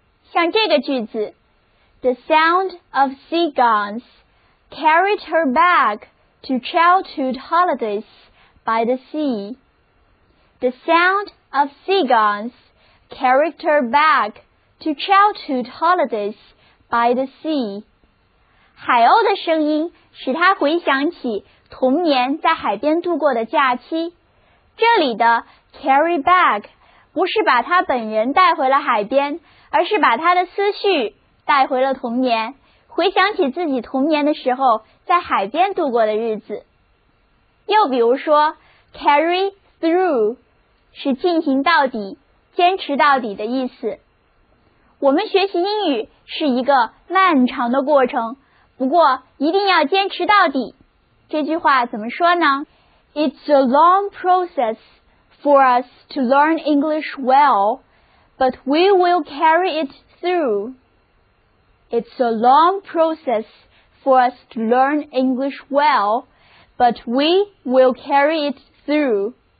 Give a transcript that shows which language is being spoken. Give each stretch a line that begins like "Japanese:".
Chinese: 像这个句子，
English: The sound of sea guns carried her back to childhood holidays by the sea. The sound of sea guns carried her back to childhood holidays by the sea.
Chinese: 海鸥的声音使她回想起童年在海边度过的假期。这里的 carry back 不是把她本人带回了海边，而是把他的思绪带回了童年，回想起自己童年的时候在海边度过的日子。又比如说 carry through 是进行到底、坚持到底的意思。我们学习英语是一个漫长的过程，不过一定要坚持到底。这句话怎么说呢？
English: It's a long process for us to learn English well,But we will carry it through. It's a long process for us to learn English well, but we will carry it through.